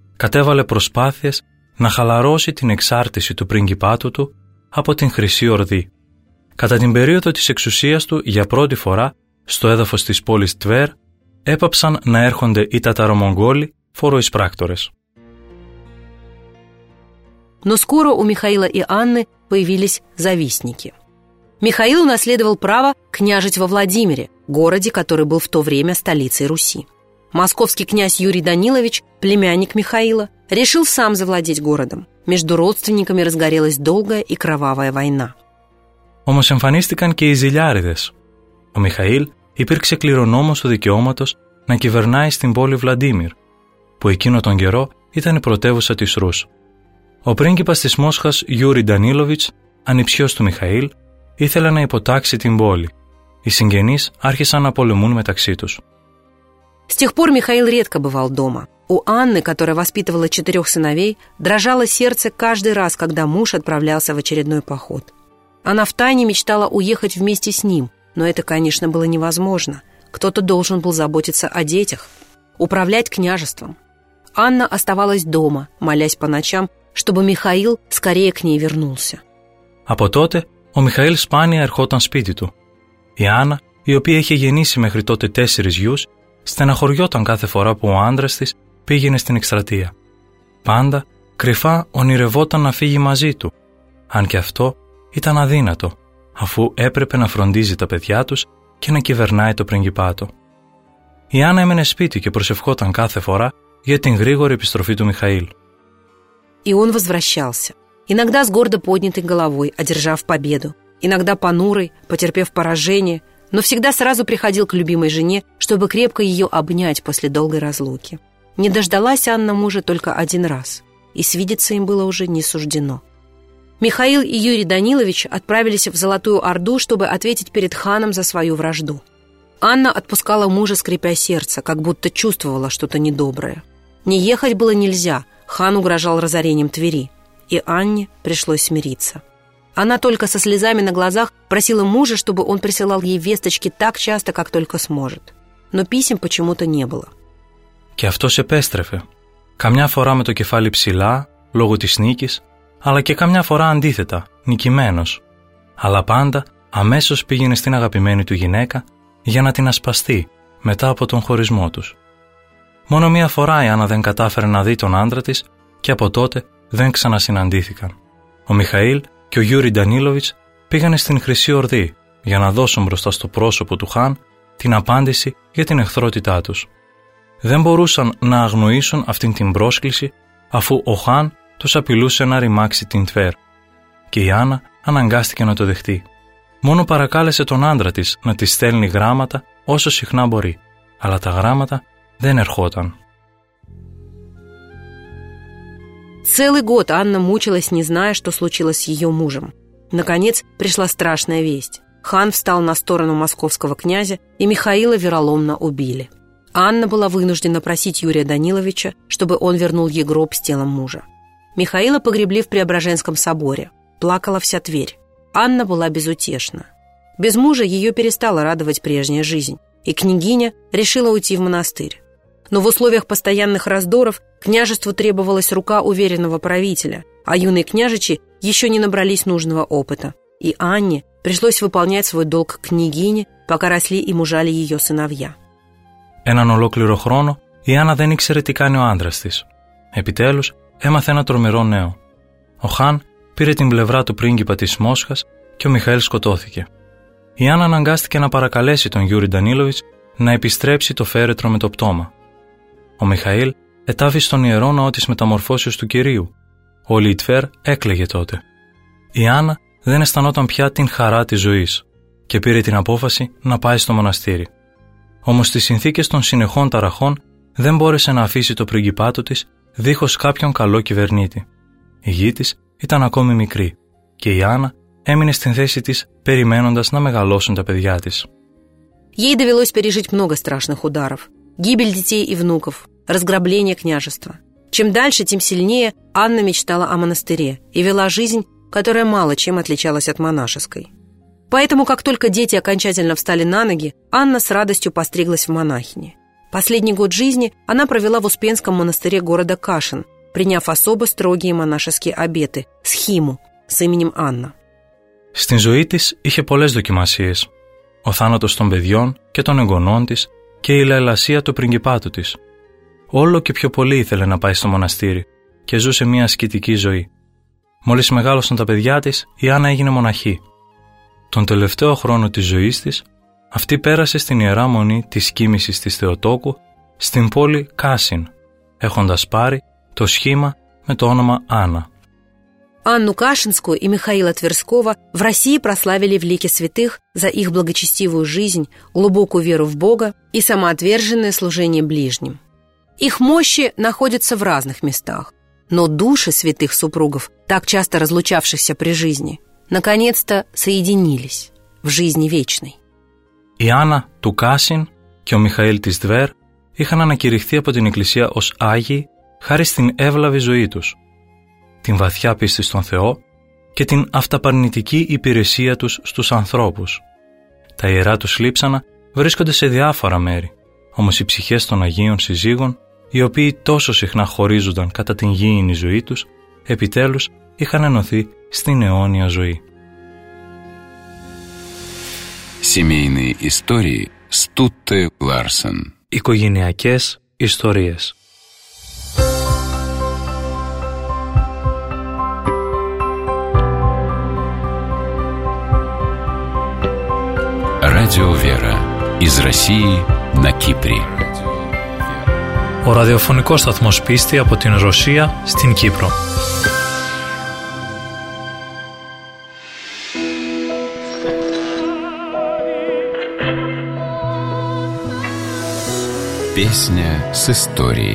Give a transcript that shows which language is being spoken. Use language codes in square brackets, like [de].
[el] κατέβαλε προσπάθειες να χαλαρώσει την εξάρτηση του πριγκιπάτου του από την Χρυσή Ορδή. Κατά την περίοδο της εξουσίας του, για πρώτη φορά, στο έδαφος της πόλης Τβέρ, έπαψαν να έρχονται οι Ταταρομογγόλοι φοροεισπράκτορες. [ru] Но скоро у Михаила и Анны появились завистники. Михаил унаследовал право княжить во Владимире, городе, который был в то время столицей Руси. Московский князь Юрий Данилович, племянник Михаила, решил сам завладеть городом. Между родственниками разгорелась долгая и кровавая война. [el] Όμως εμφανίστηκαν και οι ζηλιάριδες. Ο Михаил υπήρξε κληρονόμος του δικαιώματος να κυβερνάει στην πόλη Βλαντίμυρ, που εκείνο τον καιρό ήταν η πρωτεύουσα της Ρούς. Ο πρίγκιπας της Μόσχας Γιούρι Ντανίλοβιτς, ανιψιός του Μιχαήλ, ήθελε να υποτάξει την πόλη. Οι συγγενείς άρχισαν να πολεμούν μεταξύ τους. [ru] С тех пор Михаил редко бывал дома. У Анны, которая воспитывала четырех сыновей, дрожало сердце каждый раз, когда муж отправлялся в очередной поход. Она втайне мечтала уехать вместе с ним, но это, конечно, было невозможно. Кто-то должен был заботиться о детях, управлять княжеством. Анна оставалась дома, молясь по ночам, чтобы Михаил скорее к ней вернулся. [el] Από τότε ο Михаήλ σπάνια ερχόταν σπίτι του. Η Άννα, η οποία είχε γεννήσει μέχρι τότε τέσσερις γιους, στεναχωριόταν κάθε φορά που ο άντρας της πήγαινε στην εκστρατεία. Πάντα, κρυφά ονειρευόταν να φύγει μαζί του, αν και αυτό ήταν αδύνατο, αφού έπρεπε να φροντίζει τα παιδιά τους και να κυβερνάει το πριγκιπάτο. Η Άννα έμενε σπίτι και προσευχόταν κάθε φορά για την γρήγορη επιστροφή του Μιχαήλ. [ru] И он возвращался, иногда с гордо поднятой головой, одержав победу, иногда понурый, потерпев поражение, но всегда сразу приходил к любимой жене, чтобы крепко ее обнять после долгой разлуки. Не дождалась Анна мужа только один раз, и свидеться им было уже не суждено. Михаил и Юрий Данилович отправились в Золотую Орду, чтобы ответить перед ханом за свою вражду. Анна отпускала мужа, скрипя сердце, как будто чувствовала что-то недоброе. Не ехать было нельзя, хан угрожал разорением Твери, и Анне пришлось смириться. Она только со слезами на глазах просила мужа, чтобы он присылал ей весточки так часто, как только сможет. Но писем почему-то не было. [el] Και αυτός επέστρεφε. Καμιά φορά με το κεφάλι ψηλά, λόγω της νίκης, αλλά και καμιά φορά αντίθετα, νικημένος. Αλλά πάντα αμέσως πήγαινε στην αγαπημένη του γυναίκα για να την ασπαστεί μετά από τον χωρισμό τους. Μόνο μία φορά η Άννα δεν κατάφερε να δει τον άντρα της και από τότε δεν ξανασυναντήθηκαν. Ο Μιχαήλ και ο Γιούρι Ντανίλοβιτς πήγανε στην Χρυσή Ορδή για να δώσουν μπροστά στο πρόσωπο του Χάν την απάντηση για την εχθρότητά τους. Δεν μπορούσαν να αγνοήσουν αυτήν την πρόσκληση αφού ο Χάν τους απειλούσε να ρημάξει την Τβέρ και η Άννα αναγκάστηκε να το δεχτεί. Μόνο παρακάλεσε τον άντρα της να της στέλνει γράμματα όσο συχνά μπορεί, αλλά τα γράμματα δεν ερχόταν. [ru] Целый год Анна мучилась, не зная, что случилось с ее мужем. Наконец пришла страшная весть. Хан встал на сторону московского князя, и Михаила вероломно убили. Анна была вынуждена просить Юрия Даниловича, чтобы он вернул ей гроб с телом мужа. Михаила погребли в Преображенском соборе. Плакала вся Тверь. Анна была безутешна. Без мужа ее перестала радовать прежняя жизнь, и княгиня решила уйти в монастырь. Но в условиях постоянных раздоров княжеству требовалась рука уверенного правителя, а юные княжичи еще не набрались нужного опыта. И Анне пришлось выполнять свой долг княгине, пока росли и мужали ее сыновья. [el] Έναν ολόκληρο χρόνο η Άννα δεν ήξερε τι κάνει ο άντρας της. Επιτέλους έμαθε ένα τρομερό νέο. Ο Χάν πήρε την πλευρά του πρίγκιπα της Μόσχας και ο Μιχαήλ σκοτώθηκε. Η Άννα αναγκάστηκε να παρακαλέσει τον Γιούρι Ντανίλοβιτς να επιστρέψει το φέρετρο με το πτώμα. Ο Μιχαήλ ετάβει στον ιερό ναό της μεταμορφώσεως του κυρίου. Όλη η Τβέρ έκλαιγε τότε. Η Άννα δεν αισθανόταν πια την χαρά της ζωής και πήρε την απόφαση να πάει στο μοναστήρι. Όμως στις συνθήκες των συνεχών ταραχών δεν μπόρεσε να αφήσει το πριγκιπάτο της δίχως κάποιον καλό κυβερνήτη. Η γη της ήταν ακόμη μικρή και η Άννα έμεινε στην θέση της περιμένοντας να μεγαλώσουν τα παιδιά της. [ru] Ей довелось пережить много страшных ударов. Гибель детей и внуков, разграбление княжества. Чем дальше, тем сильнее Анна мечтала о монастыре и вела жизнь, которая мало чем отличалась от монашеской. Поэтому, как только дети окончательно встали на ноги, Анна с радостью постриглась в монахини. Последний год жизни она провела в Успенском монастыре города Кашин, приняв особо строгие монашеские обеты – схиму с именем Анна. [el] Στην ζωή της είχε πολλές δοκιμασίες. Ο θάνατος των παιδιών και των εγγονών της και η λαϊλασία του πριγκιπάτου της. Όλο και πιο πολύ ήθελε να πάει στο μοναστήρι και ζούσε μια ασκητική ζωή. Μόλις μεγάλωσαν τα παιδιά της, η Άννα έγινε μοναχή. Τον τελευταίο χρόνο της ζωής της, αυτή πέρασε στην Ιερά Μονή της Κοίμησης της Θεοτόκου, στην πόλη Κάσιν, έχοντας πάρει το σχήμα με το όνομα Άννα. [ru] Анну Кашинскую и Михаила Тверского в России прославили в лике святых за их благочестивую жизнь, глубокую веру в Бога и самоотверженное служение ближним. Их мощи находятся в разных местах, но души святых супругов, так часто разлучавшихся при жизни, наконец-то соединились в жизни вечной. [el] И Анна ту Кашин и Михаил тис Двер ихан анакирихти апо тин Экклесия ос Агии хари стин эвлави зои тус. Την βαθιά πίστη στον Θεό και την αυταπαρνητική υπηρεσία τους στους ανθρώπους. Τα ιερά τους λείψανα βρίσκονται σε διάφορα μέρη, όμως οι ψυχές των Αγίων Συζύγων, οι οποίοι τόσο συχνά χωρίζονταν κατά την γήινη ζωή τους, επιτέλους είχαν ενωθεί στην αιώνια ζωή. [ru] Семейные истории Стутте Ларсен. [el] Οικογενειακές ιστορίες. [ru] Радио Вера из России на Кипре. [el] О радиофонικός сταθμός πίστη από την Ρωσία στην Κύπρο. [ru] Песня с историей.